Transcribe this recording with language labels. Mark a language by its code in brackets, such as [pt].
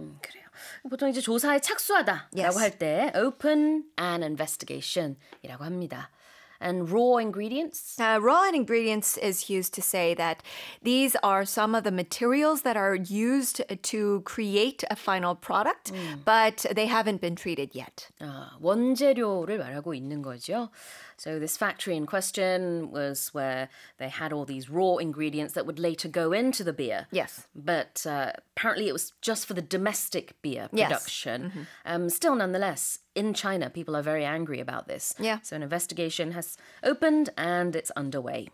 [ko] 그래요. 보통 이제 조사에 착수하다라고 yes. 할 때 [en] open an investigation [ko] 이라고 합니다. [en] And raw ingredients? Raw ingredients is used to say that these are some of the materials that are used to create a final product, but they haven't been treated yet. [ko] 원재료를 말하고 있는 거죠. [en] So this factory in question was where they had all these raw ingredients that would later go into the beer. Yes. But apparently it was just for the domestic beer production. Yes. Mm-hmm. Still, nonetheless, in China, people are very angry about this. Yeah. So an investigation has opened and it's underway.